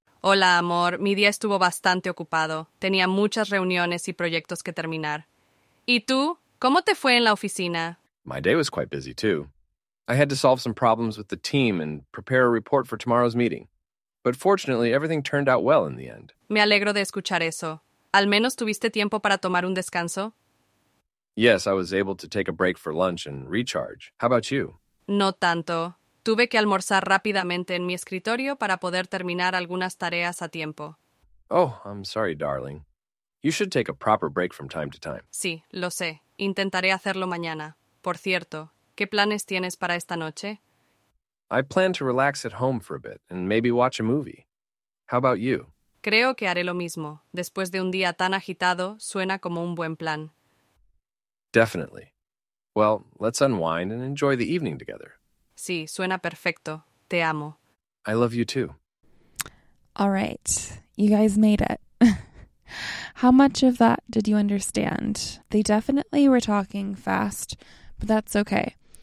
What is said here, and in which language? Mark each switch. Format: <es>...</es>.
<es>Hola amor, mi día estuvo bastante ocupado. Tenía muchas reuniones y proyectos que terminar. ¿Y tú? ¿Cómo te fue en la oficina?</es> <en>My day was quite busy too. I had to solve some problems with the team and prepare a report for tomorrow's meeting. But fortunately, everything turned out well in the end.</en> <es>Me alegro de escuchar eso. ¿Al menos tuviste tiempo para tomar un descanso?</es> <en>Yes, I was able to take a break for lunch and recharge. How about you?</en> <es>No tanto. Tuve que almorzar rápidamente en mi escritorio para poder terminar algunas tareas a tiempo.</es> <en>Oh, I'm sorry, darling. You should take a proper break from time to time.</en> <es>Sí, lo sé. Intentaré hacerlo mañana. Por cierto, ¿qué planes tienes para esta noche?</es> <en>I plan to relax at home for a bit and maybe watch a movie. How about you?</en> <es>Creo que haré lo mismo. Después de un día tan agitado, suena como un buen plan.</es> <en>Definitely. Well, let's unwind and enjoy the evening together.</en> <es>Sí, suena perfecto. Te amo.</es> <en>I love you too. All right. You guys made it. How much of that did you understand? They definitely were talking fast, but that's okay.</en>